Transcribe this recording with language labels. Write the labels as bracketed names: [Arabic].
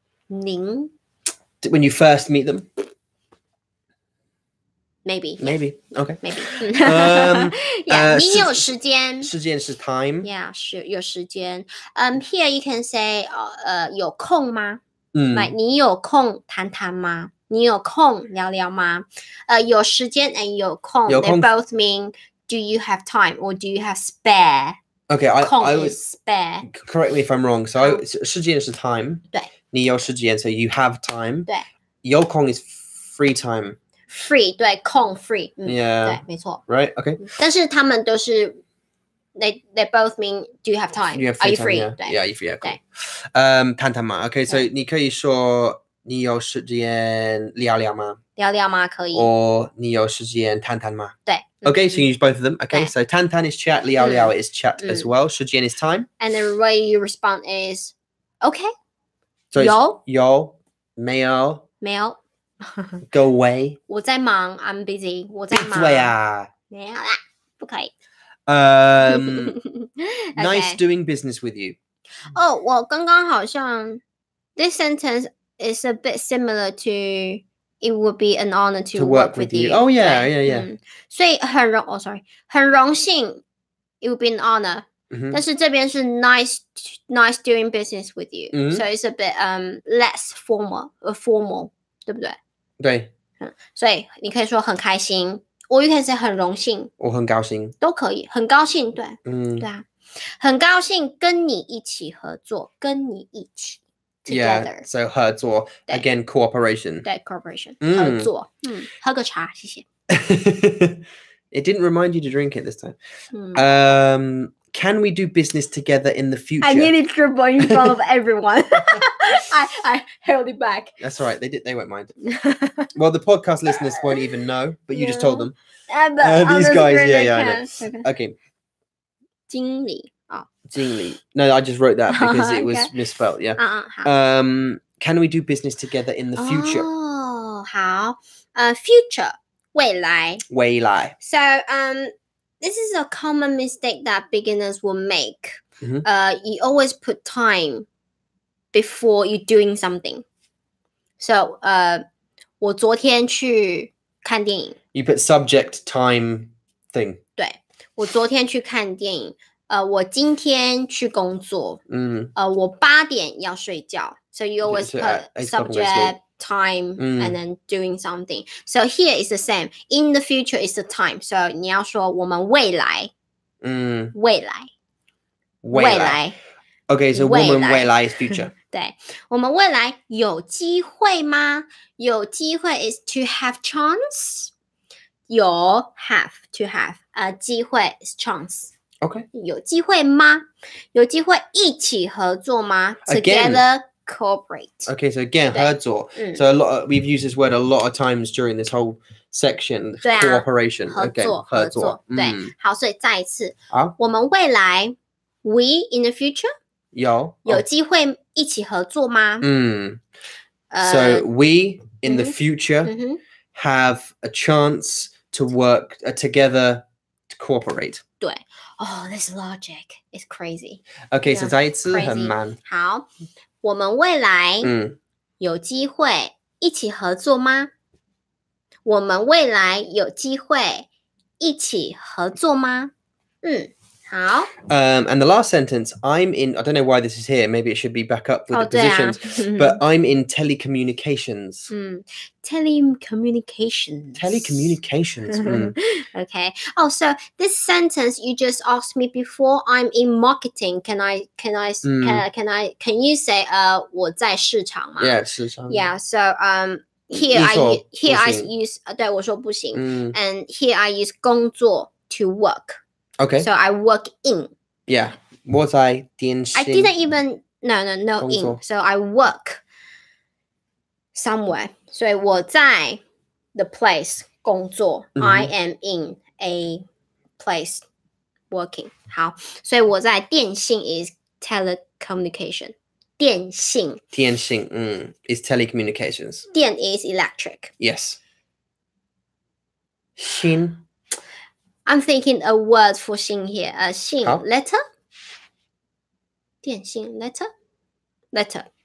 [Chinese] 您. [English] When you first meet them. Maybe. Maybe, okay. Maybe. yeah, [Chinese] 你有时间. [English] 时间 is time. [Chinese] Yeah, 有时间. [English] Here you can say, [Chinese] 有空吗? Like, 你有空谈谈吗? 你有空聊聊吗?有时间 [English] and [Chinese] 有空, 有空, [English] they both mean, do you have time or do you have spare? Okay, [Chinese] 空 [English] I is spare. Correct me if I'm wrong. So, 时间 is time. [Chinese] 对. 你有时间, [English] so you have time. [Chinese] 对. [English] 有空 is free time. Free, 对, 空, free. 嗯, yeah. [Chinese] 对, 没错. [English] Right, okay. [Chinese] 但是他们都是, [English] they both mean, do you have time? You have free are you time, free? Yeah. [Chinese] 对, [English] yeah, you're free, yeah, cool. [Chinese] 对. 谈谈嘛, [English] okay, so [Chinese] 你可以说, 你有时间聊聊吗? 聊聊吗, 可以。 Or, 你有时间谈谈吗? 对。 [English] Okay, so you use both of them. Okay, so 谈谈 is chat, 聊聊 is chat as well. 时间 is time. And the way you respond is, okay. So [Chinese] 有? 有, 没有? 没有? [English] Go away. [Chinese] 我在忙, [English] I'm busy. [Chinese] 我在忙. 闭嘴啊。没有啦,不可以。 [English] okay. Nice doing business with you. Oh, [Chinese] 我刚刚好像, [English] this sentence is a bit similar to, it would be an honor to work with you. You. Oh, yeah, right? Yeah, yeah. [Chinese] 所以很荣, [English] oh, sorry. [Chinese] 很荣幸, it would be an honor. Mm-hmm. 但是这边是 [English] nice doing business with you. Mm-hmm. So it's a bit less formal, 对不对? [Chinese] 对。所以你可以说很开心, [English] or you can say [Chinese] 很荣幸, or 很高兴, 都可以, 很高兴, 对, 对啊, 很高兴跟你一起合作, 跟你一起, [English] together. Yeah, so 合作, again, cooperation. [Chinese] 对, cooperation, 合作, 喝个茶, 谢谢。 [English] It didn't remind you to drink it this time. Can we do business together in the future? I nearly dribbled in front of everyone. I held it back. That's all right. They did. They won't mind. Well, the podcast listeners won't even know, but you just told them. These guys, yeah, I know. Okay. [Chinese] 经理. Oh. 经理. [English] No, I just wrote that because it was okay. Misspelled. Yeah. Can we do business together in the future? [Chinese] Oh, 好.Future. 未来. 未来. [English] So, this is a common mistake that beginners will make. Mm-hmm. You always put time before you're doing something. [Chinese] So, 我昨天去看电影. [English] You put subject, time, thing. [Chinese] 对, 我昨天去看电影, 我今天去工作, 我八点要睡觉. [English] So you always put subject, time, and then doing something. So here is the same. In the future is the time. [Chinese] So 你要说我们未来, 未来. [English] Okay, so [Chinese] 我们未来 [English] is future. [Chinese] 对，我们未来有机会吗？ [English] 有机会 is to have chance. 有 have to have 机会 is chance. Okay. [Chinese] 有机会吗？有机会一起合作吗 [English] ？Together. Again. Cooperate. Okay, so again, [Chinese] 合作 [English] So a lot of, we've used this word a lot of times during this whole section. [Chinese] 对啊, [English] cooperation. [Chinese] 合作, [English] okay, [Chinese] 合作, 合作、嗯、对，好，所以再一次，我们未来 [English] we in the future [Chinese] 有机会一起合作吗？ [English] 嗯、so we in the future have a chance to work together to cooperate. [Chinese] 对。 [English] Oh, this logic is crazy. [Chinese] Okay, so 再一次很慢。好。我们未来有机会一起合作吗？我们未来有机会一起合作吗？嗯，好。 [English] And the last sentence, I'm in, I don't know why this is here, maybe it should be back up with、 oh, the positions,、啊、 but I'm in telecommunications. Telecommunications. Okay. Oh, so this sentence you just asked me before, I'm in marketing. [Chinese] Can you say, 我在市场吗? Yeah, 市场。 [English] Yeah, so, here I use, [Chinese] 对,我说不行。 [English] And here I use 工作 to work. Okay. So I work in. Yeah. Was I 电视 I didn't even, no in. So I work somewhere. So [Chinese] 我在 [English] the place 工作、mm-hmm. I am in a place working. 好。 [Chinese] 所以我在电信 [English] is telecommunication. [Chinese] 电信。电信、嗯、is telecommunications. [English] 电 is electric. [Chinese] Yes. 信。 [English] I'm thinking a word for 信 here. 信 letter? 电信 letter? Letter.